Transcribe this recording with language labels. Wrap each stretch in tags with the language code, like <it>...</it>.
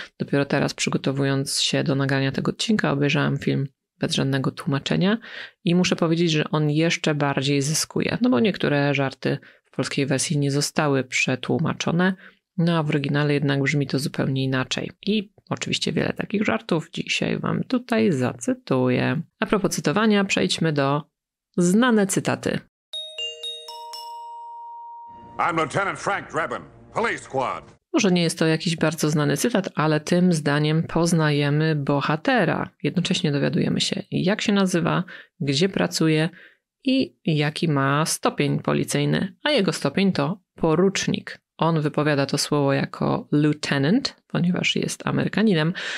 <pl>Dopiero teraz, przygotowując się do nagrania tego odcinka, obejrzałam film bez żadnego tłumaczenia i muszę powiedzieć, że on jeszcze bardziej zyskuje, no bo niektóre żarty w polskiej wersji nie zostały przetłumaczone, no a w oryginale jednak brzmi to zupełnie inaczej. I oczywiście wiele takich żartów dzisiaj wam tutaj zacytuję. A propos cytowania, przejdźmy do znane cytaty.</pl> <en>I'm Lieutenant Frank Drebin, Police Squad.</en> <pl>Może nie jest to jakiś bardzo znany cytat, ale tym zdaniem poznajemy bohatera. Jednocześnie dowiadujemy się, jak się nazywa, gdzie pracuje i jaki ma stopień policyjny. A jego stopień to porucznik. On wypowiada to słowo jako lieutenant, ponieważ jest Amerykaninem.</pl>